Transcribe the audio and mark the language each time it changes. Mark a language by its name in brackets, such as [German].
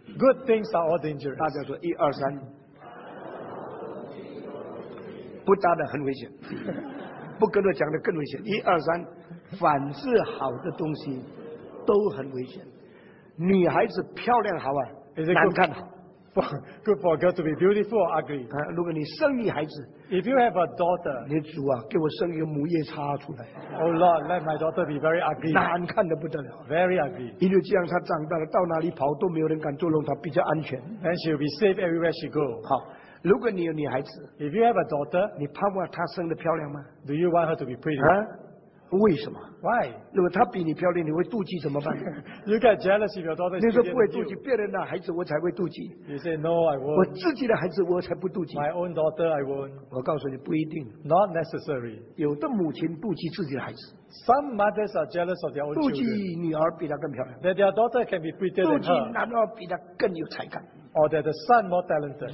[English] Good things are all dangerous。 [Chinese] 大家说一二三，不答的很危险。不跟我讲的更危险。一二三，凡是好的东西都很危险。女孩子漂亮好啊，难看好。 [English] Good for a girl to be beautiful or ugly. [Chinese] 如果你生女孩子 [English] ，If you have a daughter， [Chinese] 你主啊，给我生一个母夜叉出来。 [English] Oh Lord, let my daughter be very ugly. [Chinese] 难看得不得了。 [English] Very ugly. [Chinese] 因为这样她长大了，到哪里跑都没有人敢捉弄她，比较安全。 [English] And she'll be safe everywhere she go. [Chinese] 好。如果你有女孩子 [English] ，If you have a daughter， [Chinese] 你盼望她生得漂亮吗 [English] ？Do you want her to be pretty？ [Chinese] 啊，为什么 [English] ？Why？ [Chinese] 如果她比你漂亮，你会妒忌怎么办 [English] ？You get jealous if your daughter is [Chinese] beautiful。你说不会妒忌别人的孩子，我才会妒忌。 [English] You say no, I won't。 [Chinese] 我自己的孩子，我才不妒忌。 [English] My own daughter, I won't。 [Chinese] 我告诉你，不一定。 [English] Not necessary。 [Chinese] 有的母亲妒忌自己的孩子。 [English] Some mothers are jealous of their own children。 [Chinese] 妒忌女儿比她更漂亮。 [English] That their daughter can be prettier than her。 [Chinese] 妒忌男儿比她更有才干。 [English] Or that the son more talented.